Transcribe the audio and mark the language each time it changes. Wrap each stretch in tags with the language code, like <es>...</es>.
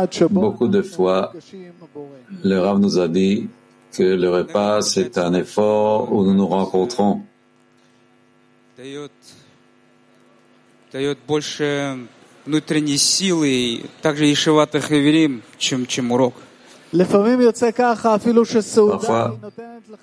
<fr>Beaucoup de fois, le Rav nous a dit que le repas, c'est un effort où nous nous rencontrons.</fr> <ru>дает больше внутренней силы, также Ешиват ха-Хаверим, чем урок.</ru> <he>לפעמים יוצא ככה, אפילו שסעודה היא נותנת לך</he>